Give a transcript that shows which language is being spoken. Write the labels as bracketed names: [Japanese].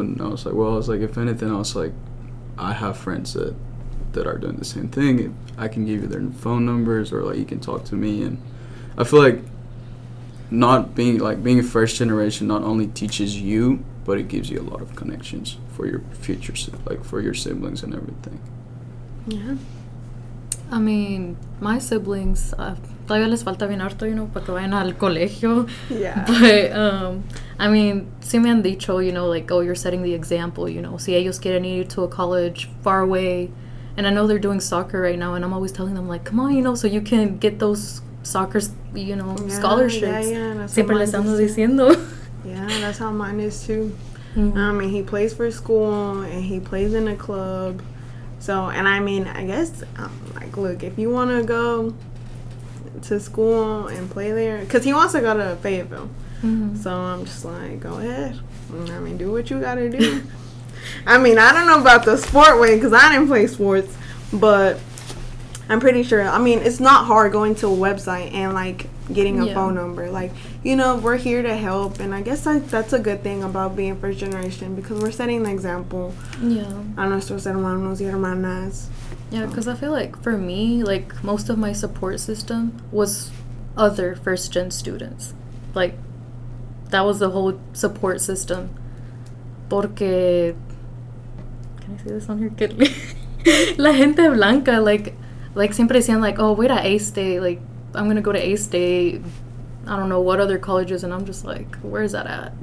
[English] And I was like, well, I was like, if anything, I was like, I have friends that are doing the same thing. I can give you their phone numbers, or, like, you can talk to me. And I feel like being a first generation not only teaches you, but it gives you a lot of connections for your future, like, for your siblings and everything. Yeah. I mean, my siblings, [Spanish] todavía les falta bien harto, you know, para que vayan al colegio. [English] Yeah. But, I mean, [Spanish] si me han dicho, [English] you know, like, oh, you're setting the example, you know, [Spanish] si ellos quieren ir [English] to a college far away, and I know they're doing soccer right now, and I'm always telling them, like, come on, you know, so you can get those soccer, you know, scholarships. Yeah, [Spanish] siempre les ando diciendo. [English] Yeah, that's how mine is too. Mm-hmm. I mean, he plays for school and he plays in a club. So, and I mean, I guess, like, look, if you want to go to school and play there, because he wants to go to Fayetteville. Mm-hmm. So I'm just like, go ahead. I mean, do what you got to do. I mean, I don't know about the sport way, because I didn't play sports, but I'm pretty sure. I mean, it's not hard going to a website and, like, getting a phone number. Like, you know, we're here to help, and I guess that's a good thing about being first generation, because we're setting the example. Yeah. [Spanish] A nuestros hermanos y hermanas. [English] Yeah, because I feel like for me, like, most of my support system was other first gen students. Like, that was the whole support system. Porque, can I say this on here? [Spanish] La gente blanca, [English] like [Spanish] siempre decían, [English] like, oh, [Spanish] voy a este, [English] like, I'm going to go to A-State, I don't know what other colleges, and I'm just like, where is that at?